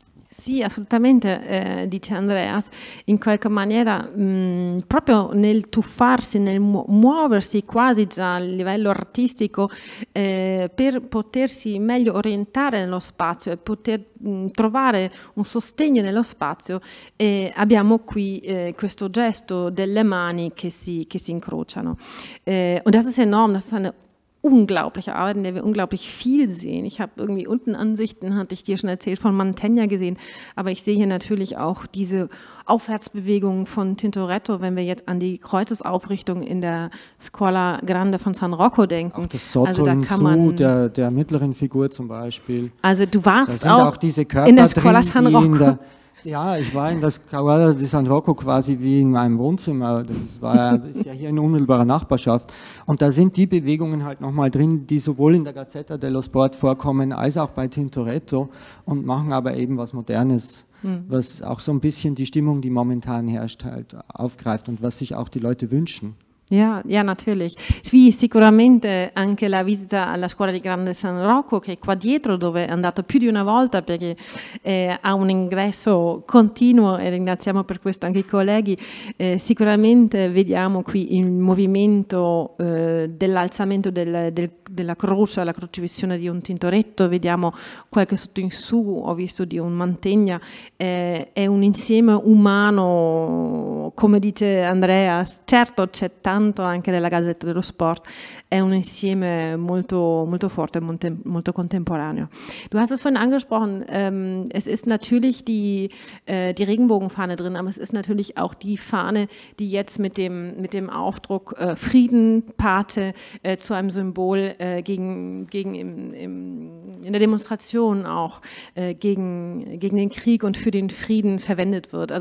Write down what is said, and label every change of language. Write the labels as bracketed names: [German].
[Italian] sì, assolutamente, dice Andreas, in qualche maniera proprio nel tuffarsi, nel muoversi quasi già a livello artistico per potersi meglio orientare nello spazio e poter trovare un sostegno nello spazio, abbiamo qui questo gesto delle mani che si incrociano. [German] Und das ist enorm, das ist eine unglaubliche Arbeit, in der wir unglaublich viel sehen. Ich habe irgendwie unten Ansichten, hatte ich dir schon erzählt, von Mantegna gesehen. Aber ich sehe hier natürlich auch diese Aufwärtsbewegung von Tintoretto, wenn wir jetzt an die Kreuzesaufrichtung in der Scuola Grande von San Rocco denken. Auch das Sotto also, da kann man, der mittleren Figur zum Beispiel. Also du warst auch in der Scuola San Rocco. In der, Ja, ich war in das Caguada di San Rocco quasi wie in meinem Wohnzimmer. Das war, ist ja hier in unmittelbarer Nachbarschaft. Und da sind die Bewegungen halt nochmal drin, die sowohl in der Gazzetta dello Sport vorkommen, als auch bei Tintoretto und machen aber eben was Modernes, was auch so ein bisschen die Stimmung, die momentan herrscht, halt aufgreift und was sich auch die Leute wünschen. Ja, ja, natürlich. [Italian] Sì, sicuramente anche la visita alla scuola di Grande San Rocco, che è qua dietro, dove è andato più di una volta perché ha un ingresso continuo e ringraziamo per questo anche i colleghi. Sicuramente vediamo qui il movimento dell'alzamento della croce, la crocifissione di un Tintoretto, vediamo qualche sotto in su, ho visto di un Mantegna. È un insieme umano, come dice Andrea, certo c'è tanto anche della Gazzetta dello Sport, è un insieme molto, molto forte, molto contemporaneo. [German] Du hast es vorhin angesprochen, es ist natürlich die Regenbogenfahne drin, aber es ist natürlich auch die Fahne, die jetzt mit dem Aufdruck Frieden, Pate, zu einem Symbol in der Demonstration auch gegen den Krieg und für den Frieden verwendet wird.